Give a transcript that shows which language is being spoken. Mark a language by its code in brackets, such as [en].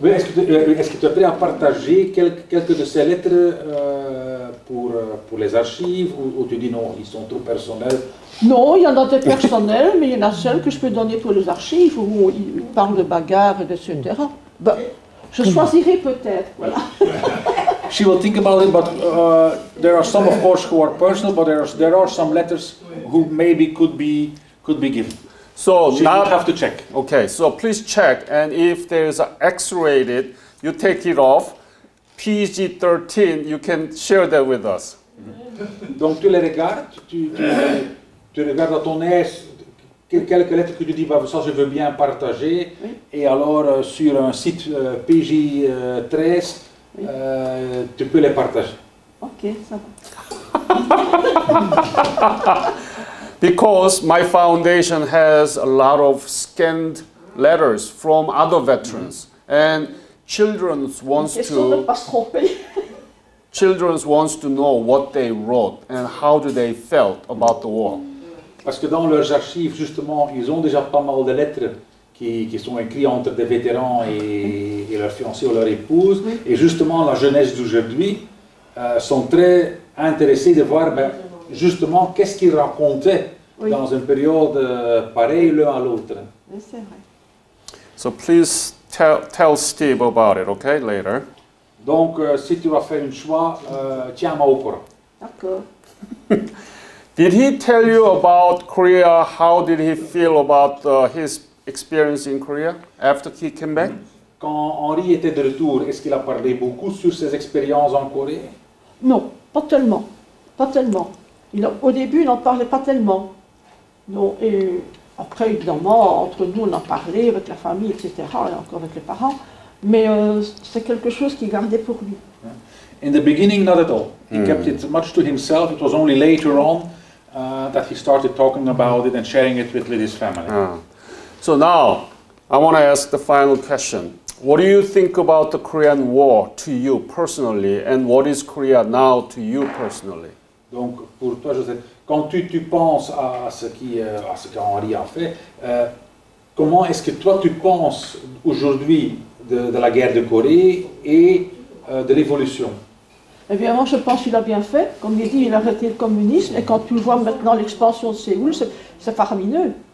[fr] Oui, est-ce que tu es prêt à partager quelques de ces lettres? Pour les archives, ou tu dis non, ils sont trop personnels? Non, il y en a des personnels, mais il y en a celles que je peux donner pour les archives, où ils parlent de bagarres, etc. Ben, je choisirai peut-être, voilà. [en] She will think about it, but there are some, of course, who are personal, but there are some letters who maybe could be given. So she not, would have to check. Okay, so please check, and if there is X-rated, you take it off. PG-13, you can share that with us. [fr] Donc tu les regardes, tu regardes à ton aise quelques lettres que tu dis, ça je veux bien partager, et alors sur un site PG-13, tu peux les partager. Ok, ça va. [en] Because my foundation has a lot of scanned letters from other veterans, and children wants to know what they wrote and how do they felt about the war. [fr] Parce que dans leurs archives, justement, ils ont déjà pas mal de lettres qui sont écrites entre des vétérans et leur fiancé ou leur épouse. Et justement, la jeunesse d'aujourd'hui sont très intéressés de voir, ben, justement, qu'est-ce qu'ils racontaient dans une période pareille l'un à l'autre. [en] So please. Tell Steve about it, okay, later. [fr] Donc, si tu vas faire un choix, tiens-moi au courant. D'accord. [en] Did he tell you about Korea? How did he feel about his experience in Korea after he came back? [fr] Quand Henri était de retour, est-ce qu'il a parlé beaucoup sur ses expériences en Corée? Non, pas tellement. Pas tellement. Au début, il n'en parlait pas tellement. Non, et... Après, évidemment, entre nous, on en parlait avec la famille, etc., et encore avec les parents. Mais c'est quelque chose qu'il gardait pour lui. [en] In the beginning, not at all. He kept it much to himself. It was only later on that he started talking about it and sharing it with his family. So now, I want to ask the final question. What do you think about the Korean War to you personally, and what is Korea now to you personally? [fr] Donc pour toi, José, quand tu penses à ce qui à ce qu'Henri a fait, comment est-ce que toi tu penses aujourd'hui de la guerre de Corée et de l'évolution? Évidemment, je pense qu'il a bien fait. Comme il dit, il a arrêté le communisme. Et quand tu vois maintenant l'expansion de Séoul, c'est faramineux.